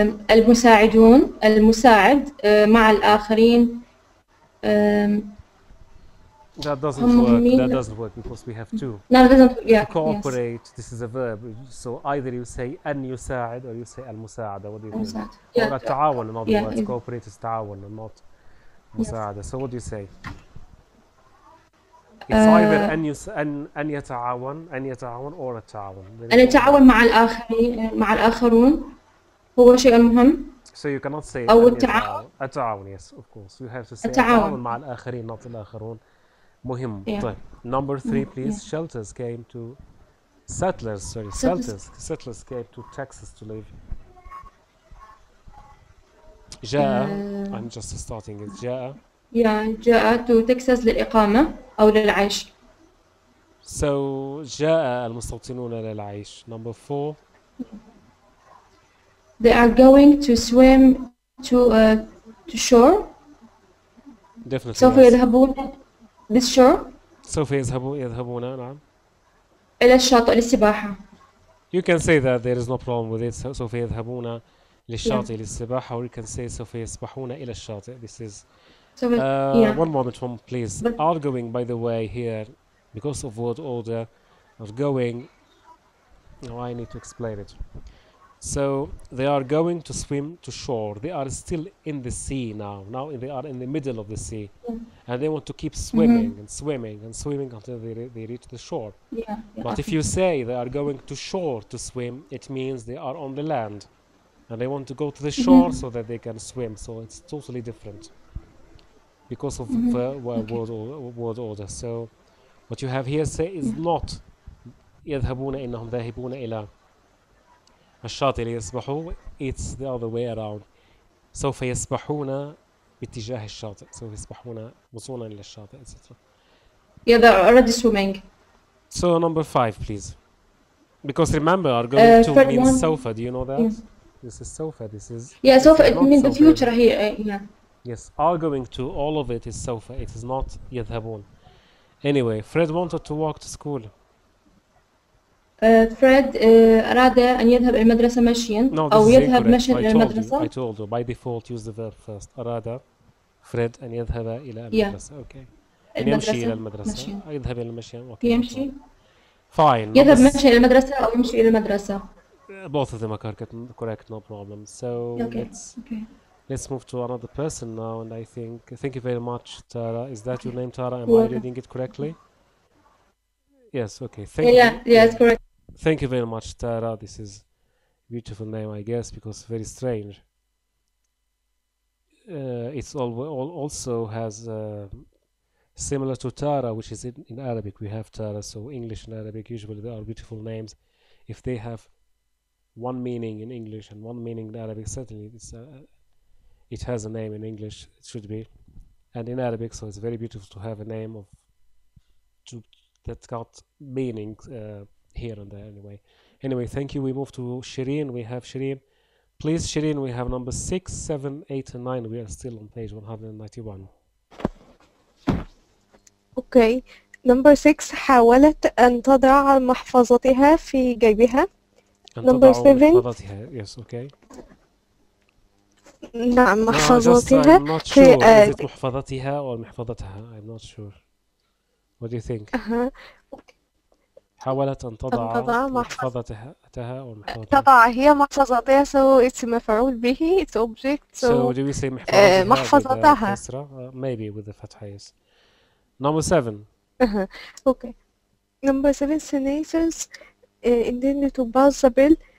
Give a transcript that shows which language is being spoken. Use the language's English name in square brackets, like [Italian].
[Arabic] المساعدون المساعد مع الآخرين. [English] That doesn't work because we have two. No, it doesn't. Yeah. To cooperate. Yes. This is a verb. So either you say an yusa'id or you say al musa'ada. What do you mean? Yeah. Or ta'awun. In other words, cooperate is ta'awun and not musa'ada. So what do you say? It's either an yata'awun, an yata'awun, or a ta'awun. [Arabic] An yata'awun ma'al akharun. Huwa shay'un muhim. [English] So you cannot say [Arabic] al [English] ta'awun. Yes, of course. You have to say [Arabic] al ta'awun ma'al akharin, [English] not [Arabic] al akharun. مهم. طيب. [English] Number three, please. Yeah. Settlers came to Texas to live. [Arabic] جاء. [English] I'm just starting. It's جاء. [Arabic] Yeah, جاء [English] to Texas [Arabic] للإقامة أو للعيش. So جاء المستوطنون للعيش. [English] Number four. They are going to swim to shore. Definitely. So for يذهبون. This shore? [Arabic] سوف يذهبون نعم. إلى الشاطئ للسباحة. [English] You can say that there is no problem with it. [Arabic] سوف يذهبون للشاطئ للسباحة. [English] Or you can say [Arabic] سوف يسبحون إلى الشاطئ. [English] This is. One moment, please. Are going, by the way, here, because of word order, are going. Now I need to explain it. So they are going to swim to shore. They are still in the sea now. Now they are in the middle of the sea. Yeah. And they want to keep swimming and swimming and swimming until they reach the shore. Yeah, yeah. But if you say they are going to shore to swim, it means they are on the land. And they want to go to the shore so that they can swim. So it's totally different because of word order. So what you have here say is not [Arabic] يذهبون إنهم ذاهبون إلى الشاطئ ليسبحوا. [English] It's the other way around. [Arabic] سوف يسبحون باتجاه الشاطئ. سوف يسبحون وصولا إلى الشاطئ. [English] Etc. Yeah, they're already swimming. So number five, please. Because remember, are going to mean [Arabic] سوف. [English] Do you know that? Yes. This is [Arabic] سوف. [English] This is. Yeah, سوف. It means the future here. Yeah. Yes, are going to. All of it is [Arabic] سوف. [English] It is not [Arabic] يذهبون. [English] Anyway, Fred wanted to walk to school. [Arabic] Fred أراد أن يذهب إلى المدرسة مشياً أو يذهب مشياً إلى المدرسة. [English] I told you by default use the verb first. [Arabic] أراد Fred أن يذهب إلى المدرسة. [English] Okay. [Arabic] يمشي إلى المدرسة. يذهب إلى المشي. يمشي. [English] Fine. [Arabic] يذهب مشي إلى المدرسة أو يمشي إلى المدرسة. [English] Both of them are correct, no problem. So let's move to another person now, and I think thank you very much, Tara. Is that your name, Tara? Am I reading it correctly? Yes. Okay. Thank you. It's correct. Thank you very much, Tara. This is a beautiful name, I guess, because very strange. It's all also has similar to Tara, which is in Arabic. We have Tara, so English and Arabic usually they are beautiful names. If they have one meaning in English and one meaning in Arabic, certainly it has a name in English. It should be, and in Arabic, so it's very beautiful to have a name of that's got meaning here and there. Anyway, thank you. We move to Shireen. We have Shireen. Please, Shireen, we have number 6, 7, 8, and 9. We are still on page 191. Okay. [Arabic] Number 6, حاولت أن تضع محفظتها في جيبها. [English] Number 7. [Arabic] محفظتها. [English] Yes, okay. [Arabic] نعم, محفظتها. [English] I'm not sure. Is it [Arabic] محفظتها [English] or محفظتها? I'm not sure. What do you think? [Arabic] حاولت أن تضع محفظتها أو محفظتها. تضع هي محفظتها, [English] so it's [Arabic] مفعول به, [English] it's object. So do we say [Arabic] محفظتها؟ [English] Maybe with the [Arabic] فتحة, [English] yes. Number 7. Okay. Number 7, senators intended to buzz the bell.